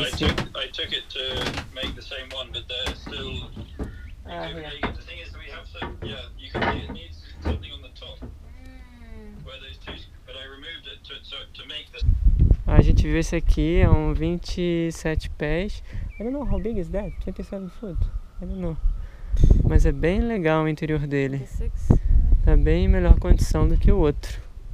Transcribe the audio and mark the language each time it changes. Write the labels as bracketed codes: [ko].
[en] I took it to make the same one, but they're still... The thing is that we have some... Yeah, you can see it needs something on the top. Where those two... But I removed it to make this... [pt] A gente viu esse aqui, é um 27 pés. [en] I don't know how big is that, 27 foot? I don't know. [pt] Mas é bem legal o interior dele. Tá bem em melhor condição do que o outro.